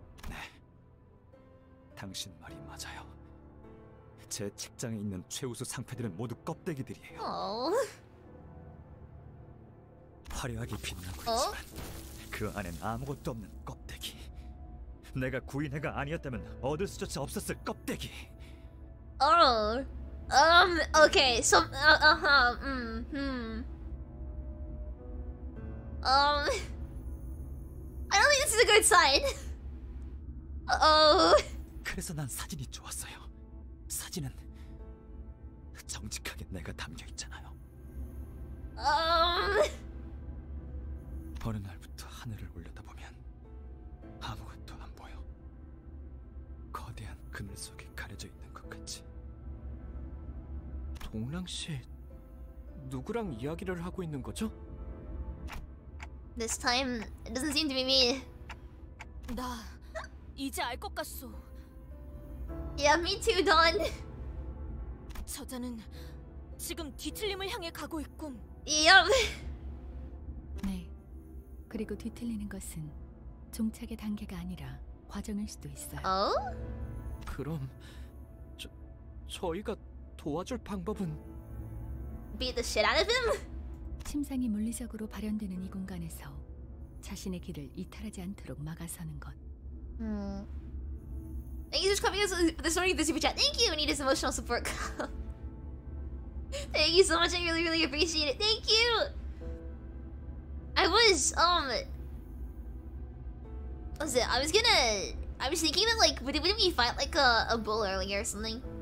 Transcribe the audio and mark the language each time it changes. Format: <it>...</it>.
<ko>네, 당신 말이 맞아요. 제 책장에 있는 최우수 상패들은 모두 껍데기들이에요. 화려하게 빛나고 있지만 그 안엔 아무것도 없는 껍데기. 내가 구인회가 아니었다면 얻을 수조차 없었을 껍데기.</ko> <en>Okay. So, I don't think this is a good sign. Uh-oh.</en> <ko>그래서 난 사진이 좋았어요. 사진은 정직하게 내가 담겨 있잖아요. 어느 날부터 하늘을 올려다보면 아무것도 안 보여. 거대한 그늘 속에 가려져 있는 것 같지. 동랑 씨, 누구랑 이야기를 하고 있는 거죠?</ko> <en>This time, it doesn't seem to be me.</en> <ko>나 이제 알 것 같소.</ko> <en>Yeah, me too, Dawn.</en> <ko>저자는 지금 뒤틀림을 향해 가고 있군.</ko> <en>Yep.</en> <ko>네, 그리고 뒤틀리는 것은 종착의 단계가 아니라 과정일 수도 있어요. 어? 그럼 저희가 도와줄 방법은?</ko> <en>Beat the shit out of him?</en> <ko>침상이 물리적으로 발현되는 이 공간에서 자신의 길을 이탈하지 않도록 막아서는 것.</ko> <en>Thank you so much for coming to the story of the super chat. Thank you. We need his emotional support. Thank you so much. I really, really appreciate it. Thank you. I was thinking that like, wouldn't we fight like a bull earlier or something?</en>